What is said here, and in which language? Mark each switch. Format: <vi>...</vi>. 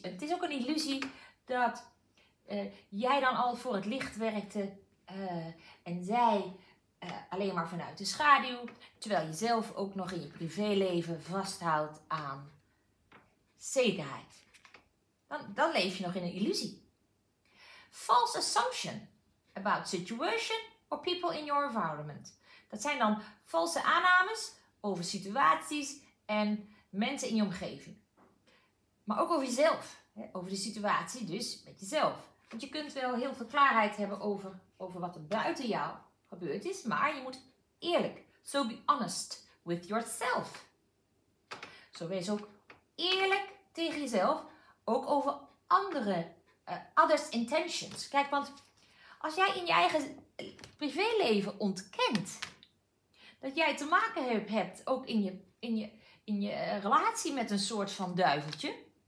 <nl>Het is ook een illusie dat jij dan al voor het licht werkte. En zij alleen maar vanuit de schaduw, terwijl je zelf ook nog in je privéleven vasthoudt aan zekerheid. Dan leef je nog in een illusie.</nl> <en>False assumption about situation or people in your environment.</en> <nl>Dat zijn dan valse aannames over situaties en mensen in je omgeving. Maar ook over jezelf, hè? Over de situatie dus met jezelf. Want je kunt wel heel veel klaarheid hebben over wat er buiten jou gebeurd is. Maar je moet eerlijk.</nl> <en>So be honest with yourself.</en> <nl>Zo wees ook eerlijk tegen jezelf. Ook over andere,</nl> <en>others' intentions.</en> <nl>Kijk, want als jij in je eigen privéleven ontkent. Dat jij te maken hebt ook in je relatie met een soort van duiveltje.</nl>